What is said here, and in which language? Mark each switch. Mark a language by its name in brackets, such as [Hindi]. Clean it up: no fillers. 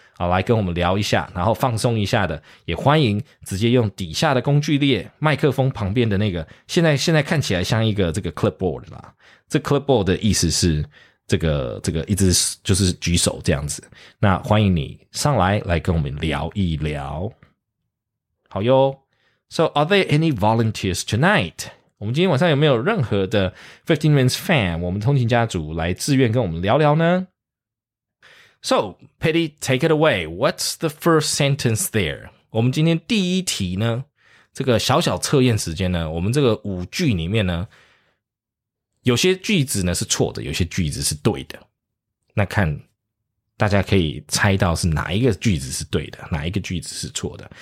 [Chinese] 好来跟我们聊一下然后放松一下的也欢迎直接用底下的工具列麦克风旁边的那个现在看起来像一个这个 clipboard 啦这 clipboard 的意思是这个一直就是举手这样子那欢迎你上来跟我们聊一聊好哟 [English] So are there any volunteers tonight? [Chinese] 我们今天晚上有没有任何的 15 Minutes fan 我们通勤家族来自愿跟我们聊聊呢 [English] So, Petty, take it away. What's the first sentence there? [Chinese] 我们今天第一题呢，这个小小测验时间呢，我们这个五句里面呢，有些句子呢是错的，有些句子是对的。那看大家可以猜到是哪一个句子是对的，哪一个句子是错的。